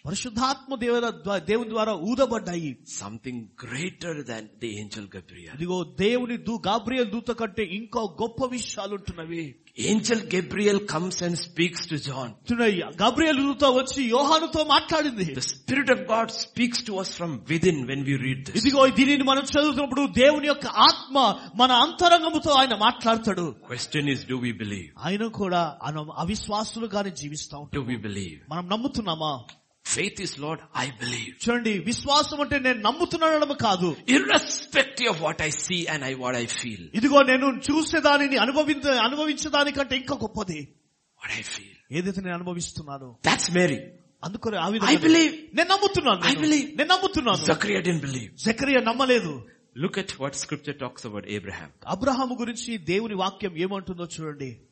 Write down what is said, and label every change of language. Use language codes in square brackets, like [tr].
[te] పరిశుద్ధాత్మ దేవుని ద్వారా ఊదబడ్డాయి. [en] Something greater than the angel Gabriel. [te] ఇదిగో దేవుని గాబ్రియల్ దూత కంటే ఇంకా గొప్ప విషయాలు ఉంటున్నవి. [en] Angel Gabriel comes and speaks to John. [te] చూడండి, గాబ్రియల్ దూత వచ్చి యోహానుతో మాట్లాడింది. [en] The Spirit of God speaks to us from within when we read this. [te] ఇదిగో దీనిని మనం చదువుతున్నప్పుడు దేవుని యొక్క ఆత్మ మన అంతరంగముతో ఆయన మాట్లాడతాడు. [en] Question is, do we believe? [te] ఆయన కూడా అనం అవిశ్వాసులుగానే జీవిస్తా ఉంటాం. [en] Do we believe? [te] మనం నమ్ముతున్నామా? [en] Faith is, Lord, I believe. [te] చూడండి, విశ్వాసం అంటే నేను నమ్ముతున్నాను కాదు. [en] Irrespective of what I see and what I feel. [te] ఇదిగో నేను చూసే దానిని అనుభవించడానికంటే ఇంకా గొప్పది. [en] What I feel. [te] ఏదైతే నేను అనుభవిస్తున్నాను. [en] That's Mary. [te] అందుకనే ఆ విధంగా. [en] I believe. [te] నేను నమ్ముతున్నాను. [en] I believe. [te] నేను నమ్ముతున్నాను. [en] Zechariah didn't believe. [te] జకరియా నమ్మలేదు. [en] Look at what scripture talks about Abraham. [te] Abraham గురించి దేవుని వాక్యం ఏమంటుందో చూడండి.